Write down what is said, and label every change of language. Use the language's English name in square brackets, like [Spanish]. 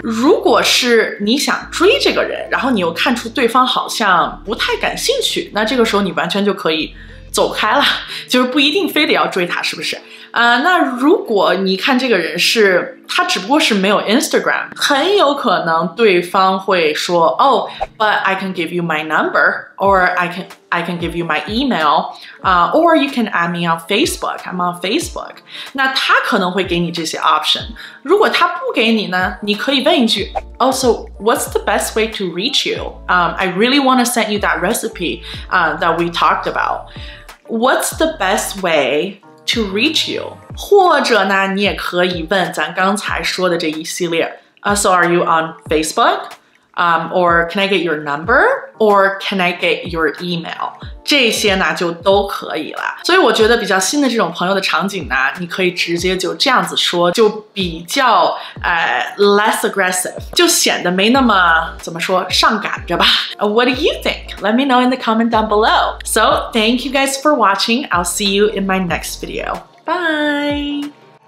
[Chinese] 如果是你想追这个人，然后你又看出对方好像不太感兴趣，那这个时候你完全就可以走开了，就是不一定非得要追他，是不是那如果你看这个人是他只不过是没有 Instagram, 很有可能对方会说 [English] Oh, but I can give you my number, or I can give you my email, or you can add me on Facebook, I'm on Facebook. [Chinese] 那他可能会给你这些 option。如果他不给你呢，你可以问一句 [English] Oh, so what's the best way to reach you? I really want to send you that recipe, that we talked about. What's the best way? To reach you, [Chinese] 或者呢，你也可以问咱刚才说的这一系列。 [English] So are you on Facebook? Or can I get your number? Or can I get your email? [Chinese] 这些呢就都可以了。所以我觉得比较新的这种朋友的场景呢，你可以直接就这样子说，就比较 [English] less aggressive, [Chinese] 就显得没那么怎么说上赶着吧。 [English] What do you think? Let me know in the comment down below. So thank you guys for watching. I'll see you in my next video. Bye.